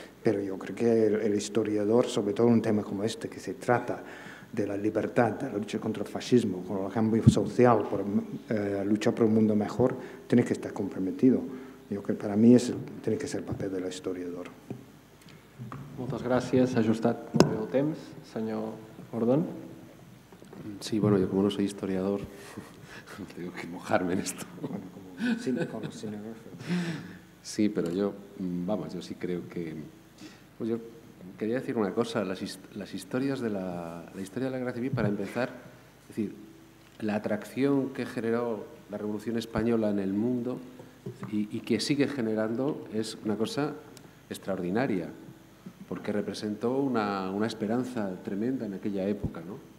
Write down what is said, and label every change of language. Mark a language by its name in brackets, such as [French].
[Spanish] Pero yo creo que el historiador, sobre todo en un tema como este, que se trata de la libertad, de la lucha contra el fascismo, con el cambio social, por luchar por un mundo mejor, tiene que estar comprometido. Yo creo que para mí tiene que ser el papel del historiador. [Catalan] Moltes gràcies. Ha ajustat el temps, senyor Gordon. [Spanish] Sí, bueno, yo como no soy historiador, tengo que mojarme en esto. Bueno, como cinegrafo. Sí, pero yo, vamos, yo sí creo que... Pues yo quería decir una cosa, las historias de la historia de la Guerra Civil, para empezar, es decir, la atracción que generó la Revolución Española en el mundo y que sigue generando es una cosa extraordinaria, porque representó una esperanza tremenda en aquella época, ¿no?